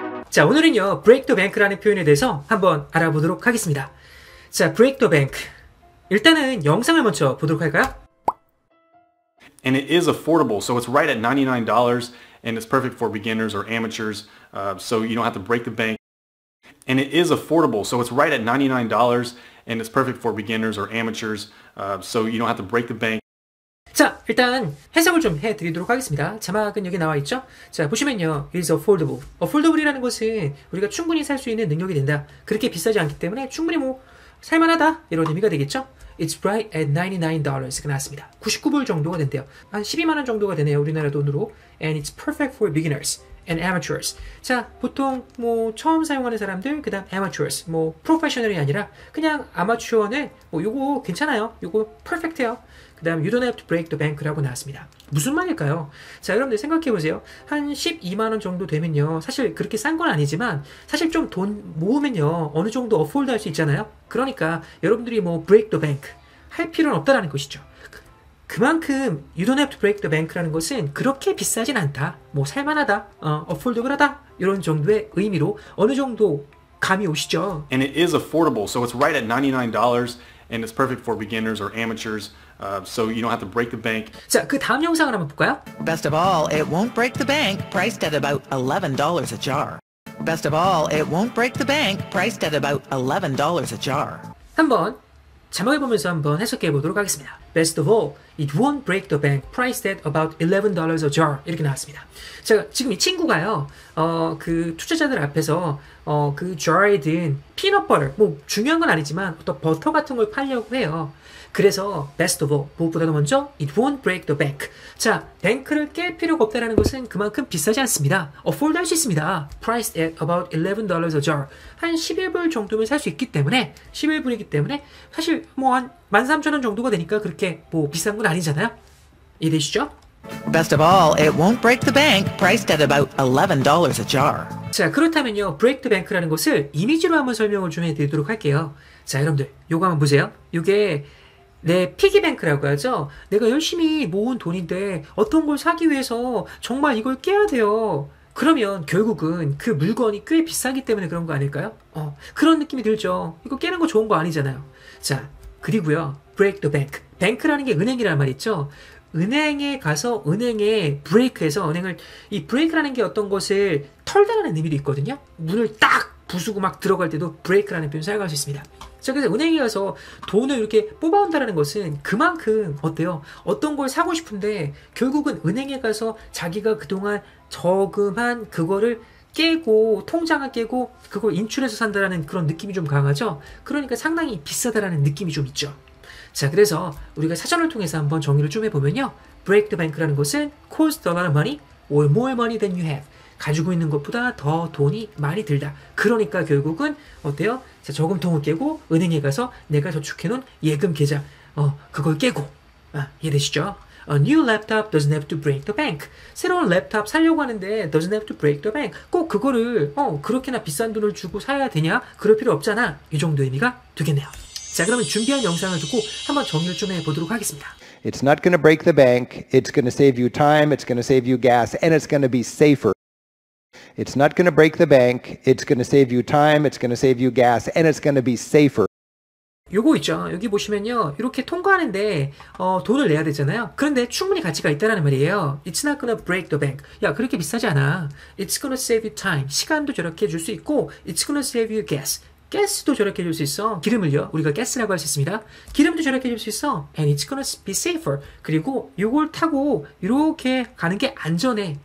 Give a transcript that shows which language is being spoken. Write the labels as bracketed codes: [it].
[ko] 자, 오늘은요, break the bank라는 표현에 대해서 한번 알아보도록 하겠습니다. 자, break the bank. 일단은 영상을 먼저 보도록 할까요? [en] And it is affordable, so it's right at $99, and it's perfect for beginners or amateurs, so you don't have to break the bank. And it is affordable, so it's right at $99, and it's perfect for beginners or amateurs, so you don't have to break the bank. [ko] 자, 일단 해석을 좀 해드리도록 하겠습니다. 자막은 여기 나와 있죠? 자, 보시면요. [en] It is affordable. [ko] Affordable이라는 것은 우리가 충분히 살 수 있는 능력이 된다. 그렇게 비싸지 않기 때문에 충분히 뭐 살만하다 이런 의미가 되겠죠? [en] It's right at $99가 나왔습니다. [ko] 99불 정도가 된대요. 한 12만원 정도가 되네요. 우리나라 돈으로. [en] And it's perfect for beginners and amateurs. [ko] 자, 보통 뭐 처음 사용하는 사람들, 그 다음 amateurs, 뭐 professional이 아니라 그냥 아마추어는 뭐 요거 괜찮아요. 요거 perfect해요. 그 다음 [en] you don't have to break the bank [ko] 라고 나왔습니다. 무슨 말일까요? 자, 여러분들 생각해보세요. 한 12만원 정도 되면요. 사실 그렇게 싼 건 아니지만 사실 좀 돈 모으면요. 어느 정도 afford 할 수 있잖아요. 그러니까 여러분들이 뭐 break the bank 할 필요는 없다라는 것이죠. 그만큼 [en] you don't have to break the bank [ko] 라는 것은 그렇게 비싸진 않다. 뭐 살만하다. affordable 하다. 이런 정도의 의미로 어느 정도 감이 오시죠. [en] And it is affordable. So it's right at $99 and it's perfect for beginners or amateurs. So you don't have to break the bank. [ko] 자, 그 다음 영상을 한번 볼까요? [en] Best of all, it won't break the bank priced at about $11 a jar. Best of all, it won't break the bank priced at about $11 a jar. [ko] 한번 자막을 보면서 한번 해석해 보도록 하겠습니다. [en] Best of all, it won't break the bank priced at about $11 a jar. [ko] 이렇게 나왔습니다. 자, 지금 이 친구가요. 그 투자자들 앞에서 그 jar에 든 peanut butter, 뭐 중요한 건 아니지만 어떤 버터 같은 걸 팔려고 해요. 그래서 [en] best of all, [ko] 무엇보다도 먼저 [en] it won't break the bank. [ko] 자, 뱅크를 깰 필요가 없다라는 것은 그만큼 비싸지 않습니다. afford 할 수 있습니다. [en] priced at about $11 a jar. [ko] 한 11불 정도면 살 수 있기 때문에 11불이기 때문에 사실 뭐 한 13,000원 정도가 되니까 그렇게 뭐 비싼 건 아니잖아요. 이해되시죠? [en] Best of all, it won't break the bank priced at about $11 a jar. [ko] 자, 그렇다면요. break the bank라는 것을 이미지로 한번 설명을 좀 해드리도록 할게요. 자, 여러분들 요거 한번 보세요. 요게 내 피기뱅크라고 하죠. 내가 열심히 모은 돈인데 어떤 걸 사기 위해서 정말 이걸 깨야 돼요. 그러면 결국은 그 물건이 꽤 비싸기 때문에 그런 거 아닐까요? 그런 느낌이 들죠. 이거 깨는 거 좋은 거 아니잖아요. 자, 그리고요. break the bank. 뱅크라는 게 은행이란 말이죠. 은행에 가서 은행에 브레이크해서 은행을 이 브레이크라는 게 어떤 것을 털다라는 의미도 있거든요. 문을 딱 부수고 막 들어갈 때도 브레이크라는 표현을 사용할 수 있습니다. 자, 그래서 은행에 가서 돈을 이렇게 뽑아온다라는 것은 그만큼 어때요? 어떤 걸 사고 싶은데 결국은 은행에 가서 자기가 그동안 저금한 그거를 깨고 통장을 깨고 그걸 인출해서 산다라는 그런 느낌이 좀 강하죠? 그러니까 상당히 비싸다라는 느낌이 좀 있죠. 자, 그래서 우리가 사전을 통해서 한번 정의를 좀 해보면요. [en] Break the bank라는 것은 cost a lot of money or more money than you have. [ko] 가지고 있는 것보다 더 돈이 많이 들다. 그러니까 결국은 어때요? 자, 저금통을 깨고 은행에 가서 내가 저축해놓은 예금 계좌 그걸 깨고 이해되시죠? [en] A new laptop doesn't have to break the bank. [ko] 새로운 랩탑 사려고 하는데 [en] doesn't have to break the bank. [ko] 꼭 그거를 그렇게나 비싼 돈을 주고 사야 되냐? 그럴 필요 없잖아. 이 정도 의미가 되겠네요. 자, 그러면 준비한 영상을 듣고 한번 정리를 좀 해보도록 하겠습니다. [en] It's not going to break the bank. It's going to save you time. It's going to save you gas. And it's going to be safer. It's not going to break the bank. It's going to save you time. It's going to save you gas. And it's going to be safer. [ko] 요거 있죠. 여기 보시면요. 이렇게 통과하는데 돈을 내야 되잖아요. 그런데 충분히 가치가 있다라는 말이에요. [en] It's not going to break the bank. [ko] 야, 그렇게 비싸지 않아. [en] It's going to save you time. [ko] 시간도 저렇게 줄 수 있고 [en] It's going to save you gas. [ko] 가스도 저렇게 줄 수 있어. 기름을요. 우리가 가스라고 할 수 있습니다. 기름도 저렇게 줄 수 있어. [en] And it's gonna be safer. [ko] 그리고 이걸 타고 이렇게 가는 게 안전해.